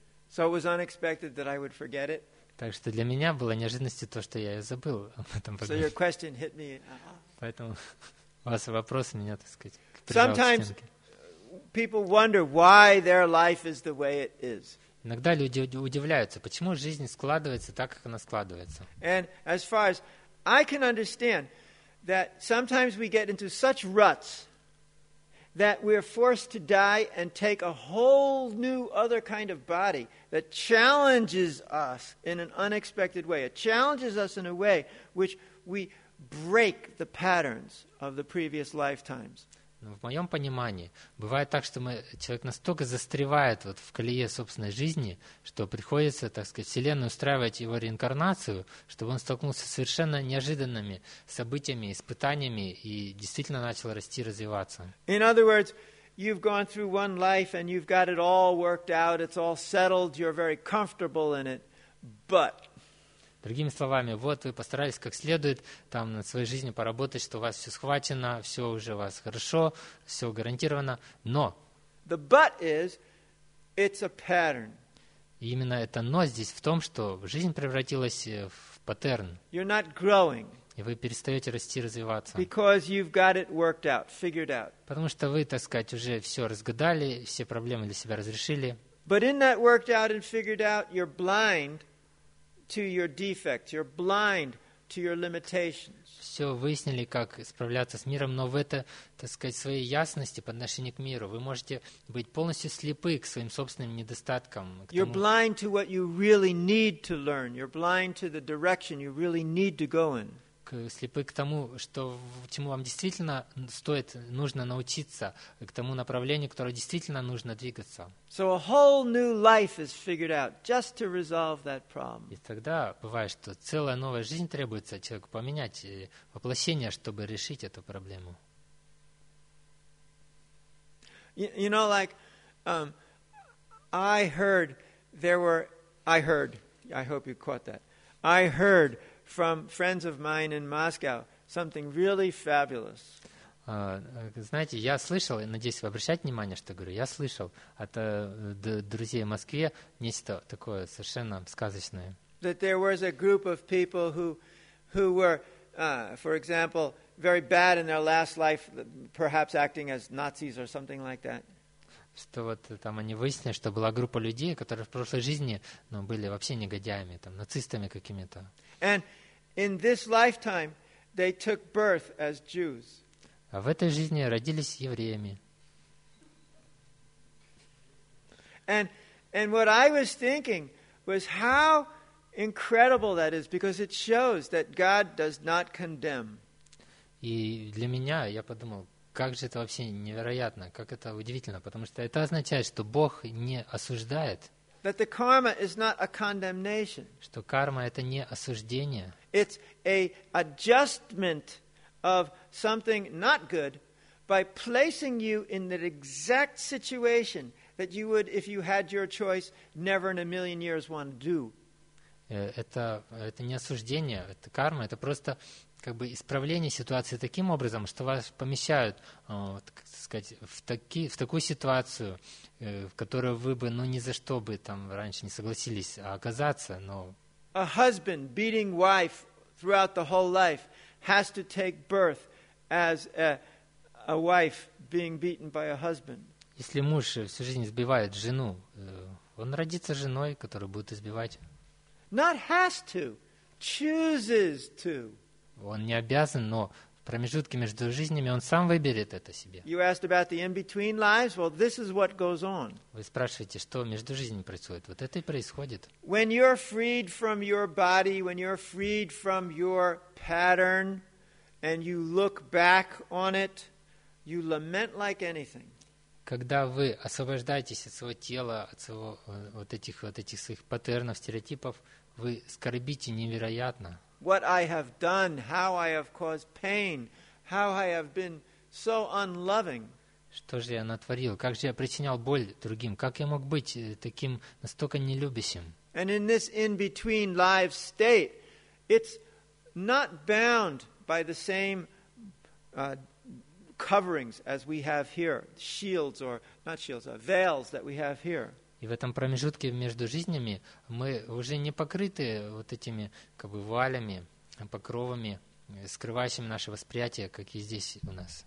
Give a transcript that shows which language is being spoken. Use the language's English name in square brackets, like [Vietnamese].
[English] So it was unexpected that I would forget it. [Russian] Так что для меня было неожиданностью то, что я ее забыл об этом поговорить. [English] So your question hit me. [Russian] Поэтому ваш вопрос меня, так сказать, прижал [English] Sometimes [Russian] к стенке. [English] People wonder why their life is the way it is. [Russian] Иногда люди удивляются, почему жизнь складывается так, как она складывается. [English] And as far as I can understand, that sometimes we get into such ruts that we're forced to die and take a whole new other kind of body that challenges us in an unexpected way. It challenges us in a way which we break the patterns of the previous lifetimes. [Russian] В моем понимании, бывает так, что человек настолько застревает вот в колее собственной жизни, что приходится, так сказать, Вселенной устраивать его реинкарнацию, чтобы он столкнулся с совершенно неожиданными событиями, испытаниями и действительно начал расти и развиваться. [English] In other words, you've gone through one life and you've got it all worked out, it's all settled, you're very comfortable in it, but... [Russian] Другими словами, вот вы постарались как следует там над своей жизнью поработать, что у вас все схвачено, все уже у вас хорошо, все гарантировано, но... [English] The but is, it's a pattern. [Russian] И именно это но здесь в том, что жизнь превратилась в паттерн. [English] You're not growing. [Russian] И вы перестаете расти и развиваться. [English] Because you've got it worked out, figured out. [Russian] Потому что вы, так сказать, уже все разгадали, все проблемы для себя разрешили. [English] But in that worked out and figured out, you're blind. To your defects, you're blind to your limitations. [Russian] Все выяснили, как справляться с миром, но в это, так сказать, своей ясности по отношению к миру вы можете быть полностью слепы к своим собственным недостаткам. [English] You're blind to what you really need to learn. You're blind to the direction you really need to go in. [Russian] Слепы к тому, что чему вам действительно стоит, нужно научиться, к тому направлению, которое действительно нужно двигаться. [English] So a whole new life is figured out just to resolve that problem. [Russian] И тогда бывает, что целая новая жизнь требуется человеку поменять воплощение, чтобы решить эту проблему. [English] You know, like I heard from friends of mine in Moscow, something really fabulous. [Russian] Знаете, я слышал, и надеюсь, вы обращаете внимание, что говорю, я слышал от друзей в Москве нечто такое совершенно сказочное. [English] That there was a group of people who were, for example, very bad in their last life, perhaps acting as Nazis or something like that. [Russian] Что вот там они выяснили, что была группа людей, которые в прошлой жизни, ну, были вообще негодяями, там, нацистами какими-то. [English] And in this lifetime they took birth as Jews. [Russian] А в этой жизни родились евреями. [English] And what I was thinking was how incredible that is, because it shows that God does not condemn. [Russian] И для меня, я подумал, как же это вообще невероятно, как это удивительно, потому что это означает, что Бог не осуждает. [English] That the karma is not a condemnation. [Russian] Что карма это не осуждение. [English] It's an adjustment of something not good by placing you in that exact situation that you would, if you had your choice, never in a million years want to do. [Russian] Это не осуждение, это карма, это просто как бы исправление ситуации таким образом, что вас помещают, так сказать, в такую ситуацию, в которую вы бы, ну, ни за что бы там раньше не согласились оказаться, но... [English] A husband beating wife throughout the whole life has to take birth as a wife being beaten by a husband. [Russian] Если муж всю жизнь избивает жену, он родится женой, которую будет избивать. [English] Not has to, chooses to. [Russian] Он не обязан, но в промежутке между жизнями он сам выберет это себе. [English] You asked about the in-between lives. Well, this is what goes on. [Russian] Вы спрашиваете, что между жизнями происходит? Вот это и происходит. [English] When you're freed from your body, when you're freed from your pattern, and you look back on it, you lament like anything. [Russian] когда вы освобождаетесь от своего тела, от своего вот этих своих паттернов, стереотипов, вы скорбите невероятно. [English] What I have done, how I have caused pain, how I have been so unloving. [Russian] Что же я натворил? Как же я причинял боль другим? Как я мог быть таким настолько нелюбящим? [English] And in this in-between life state, it's not bound by the same coverings as we have here, shields or not shields, veils that we have here. [Russian] И в этом промежутке между жизнями мы уже не покрыты вот этими как бы валями, покровами, скрывающими наше восприятие, как и здесь у нас.